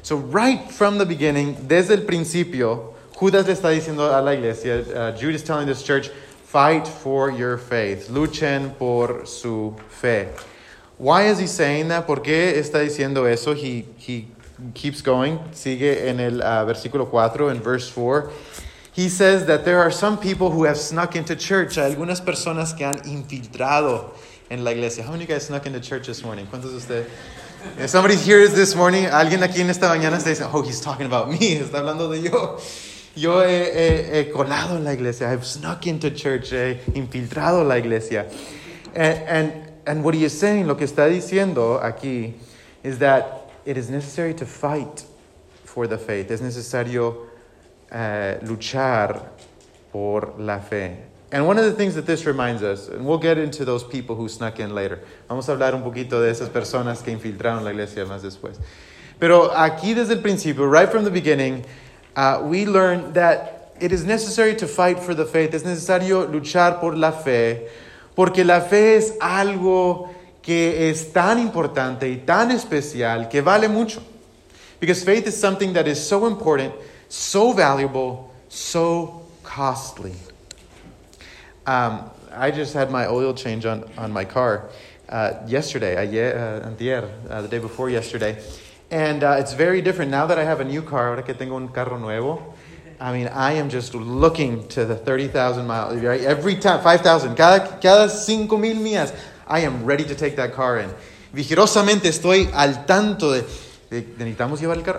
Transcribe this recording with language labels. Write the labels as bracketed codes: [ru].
[en] So right from the beginning, [es] desde el principio, Judas le está diciendo a la iglesia, [en] Jude is telling this church, fight for your faith. [es] Luchen por su fe. [en] Why is he saying that? [es] ¿Por qué está diciendo eso? [en] He keeps going. [es] Sigue en el versículo 4, [en] in verse 4. He says that there are some people who have snuck into church. [es] Hay algunas personas que han infiltrado en la iglesia. [en] How many of you guys snuck into church this morning? [es] ¿Cuántos de ustedes? [en] If somebody here is this morning, [es] alguien aquí en esta mañana está diciendo, [en] oh, he's talking about me. [es] Está hablando de yo. Yo he colado en la iglesia. [en] I've snuck into church. [es] He infiltrado la iglesia. [en] And what he is saying, [es] lo que está diciendo aquí, [en] is that it is necessary to fight for the faith. [es] Es necesario luchar por la fe. [en] And one of the things that this reminds us, and we'll get into those people who snuck in later. [es] Vamos a hablar un poquito de esas personas que infiltraron la iglesia más después. Pero aquí desde el principio, [en] right from the beginning, we learn that it is necessary to fight for the faith. [es] Es necesario luchar por la fe, porque la fe es algo que es tan importante y tan especial que vale mucho. [en] Because faith is something that is so important, so valuable, so costly. I just had my oil change on my car yesterday, the day before yesterday. And it's very different now that I have a new car, [es] ahora que tengo un carro nuevo. [en] I mean, I am just looking to the 30,000 miles, right? Every time, 5,000, [es] cada 5,000 millas, [en] I am ready to take that car in. [es] Vigorosamente estoy al tanto de necesitamos llevar el carro.